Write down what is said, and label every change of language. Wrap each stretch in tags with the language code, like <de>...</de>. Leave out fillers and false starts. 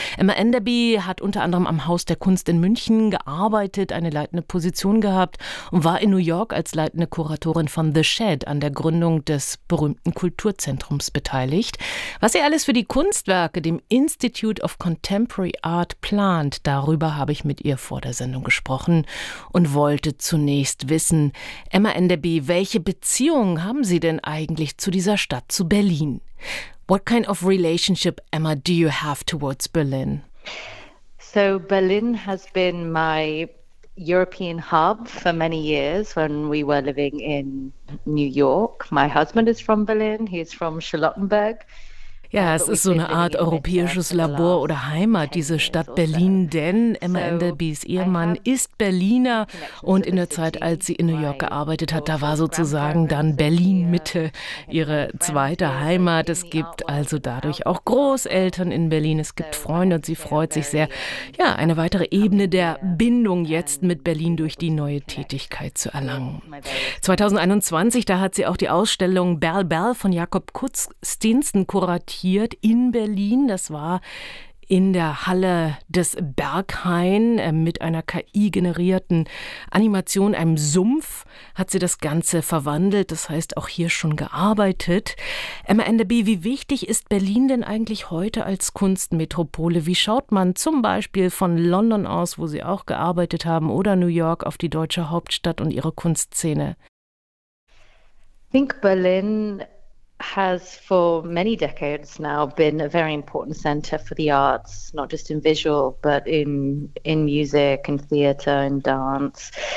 <de>Emma Enderby hat unter anderem am Haus der Kunst in München gearbeitet, eine leitende Position gehabt und war in New York als leitende Kuratorin von The Shed an der Gründung des berühmten Kulturzentrums beteiligt. Was sie alles für die Kunstwerke dem Institute of Contemporary Art plant. Darüber habe ich mit ihr vor der Sendung gesprochen und wollte zunächst wissen, Emma Enderby, welche Beziehungen haben Sie denn eigentlich zu dieser Stadt, zu Berlin?</de> <en>What kind of relationship, Emma, do you have towards Berlin? So Berlin has been my European hub for many years when we were living in New York. My husband is from Berlin, he's from Charlottenburg.</en> <de>Ja, es ist so eine Art europäisches Labor oder Heimat, diese Stadt Berlin, denn Emma Enderbys Ehemann ist Berliner und in der Zeit, als sie in New York gearbeitet hat, da war sozusagen dann Berlin-Mitte ihre zweite Heimat. Es gibt also dadurch auch Großeltern in Berlin, es gibt Freunde und sie freut sich sehr, ja, eine weitere Ebene der Bindung jetzt mit Berlin durch die neue Tätigkeit zu erlangen. 2021, da hat sie auch die Ausstellung Berl Berl von Jakob Kutz-Steensen kuratiert in Berlin. Das war in der Halle des Berghain mit einer KI-generierten Animation, einem Sumpf, hat sie das Ganze verwandelt. Das heißt, auch hier schon gearbeitet. Emma Enderby, wie wichtig ist Berlin denn eigentlich heute als Kunstmetropole? Wie schaut man zum Beispiel von London aus, wo Sie auch gearbeitet haben, oder New York auf die deutsche Hauptstadt und ihre Kunstszene?</de> <en>I think Berlin has for many decades now been a very important center for the arts, not just in visual, but in music, in theater, in dance.</en>